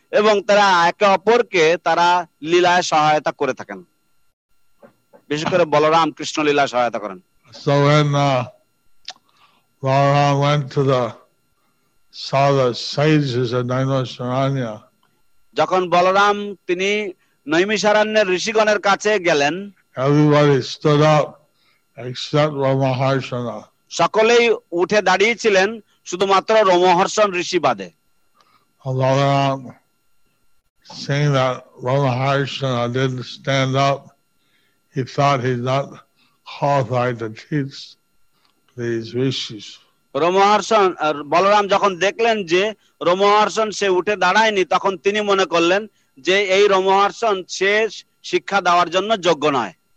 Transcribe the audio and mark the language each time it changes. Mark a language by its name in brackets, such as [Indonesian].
[Bangla] এবং তারা একে অপরকে তারা লীলায় সহায়তা করে থাকেন, বিশেষ করে বলরাম কৃষ্ণ লীলায় সহায়তা করেন। [English] So when Balaram went to the saw the sages of Naimisharanya, [Bangla] যখন বলরাম তিনি নৈমিষারণ্যের ঋষিগণের কাছে গেলেন, [English] everybody stood up except Ramaharsana. [Bangla] সকলেই উঠে দাঁড়িয়েছিলেন শুধুমাত্র রমহর্ষণ ঋষি বাদে। [English] Balaram saying that Ramaharsana didn't stand up, he thought he's not qualified to teach these rishis. [Bangla] রমহর্ষণ Balaram যখন দেখলেন যে রমহর্ষণ সে উঠে দাঁড়ায়নি, তখন তিনি মনে করলেন যে এই রমহর্ষণ সে শিক্ষা দেওয়ার জন্য যোগ্য নয়।